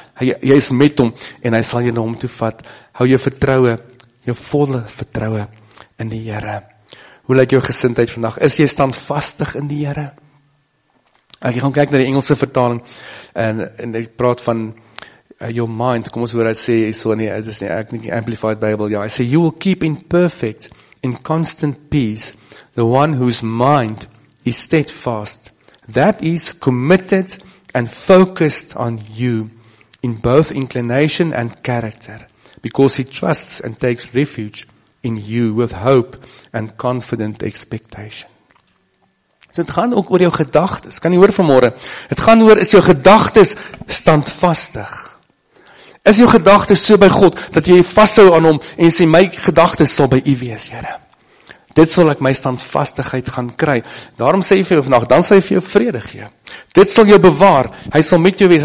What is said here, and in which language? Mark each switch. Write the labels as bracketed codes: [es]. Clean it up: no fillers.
[af] Hy is met hom en hy sal jou na hom toe vat. Hou jou vertroue, jou volle vertroue in die Here. Hoe lyk jou gesindheid vandag? Is jy standvastig in die Here? Ek gaan kyk na die Engelse vertaling en ek praat van [en] your mind. [af] Kom ons hoor hy sê hierso nie, dit is nie ek nie Amplified Bible. Ja, hy sê [en] you will keep in perfect in constant peace the one whose mind is steadfast, that is committed and focused on you in both inclination and character, because he trusts and takes refuge in you with hope and confident expectation. [af] So dit gaan ook oor jou gedagtes. Kan jy hoor vanmôre? Dit gaan oor, is jou gedagtes standvastig? Is jou gedagtes so by God dat jy vashou aan hom en sê my gedagtes sal by u wees, Here. Dit sal ek my standvastigheid gaan kry. Daarom sê hy vir jou vandag, dan sal hy vir jou vrede gee. Dit sal jou bewaar. Hy sal met jou wees.